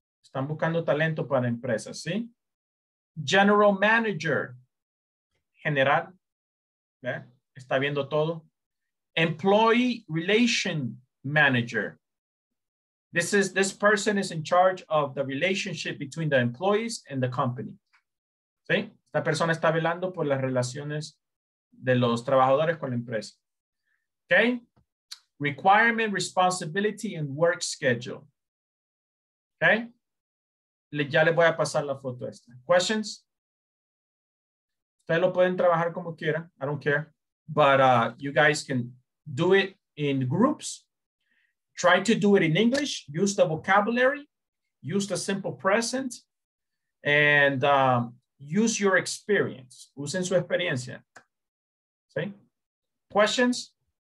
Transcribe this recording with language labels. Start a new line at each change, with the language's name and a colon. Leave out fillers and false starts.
Spanish: Están buscando talento para empresas, ¿sí? General manager, general, ¿eh? Está viendo todo.
English: Employee relation manager. This person is in charge of the relationship between the employees and the company.
Spanish: ¿Sí? Esta persona está velando por las relaciones de los trabajadores con la empresa. Okay.
English: Requirement, responsibility, and work schedule. Okay?
Spanish: Ya les voy a pasar la foto esta. Questions? Ustedes lo pueden trabajar como quieran.
English: I don't care. But you guys can do it in groups. Try to do it in English. Use the vocabulary. Use the simple present. And use your experience.
Spanish: Usen su experiencia. ¿Sí?
English: Questions?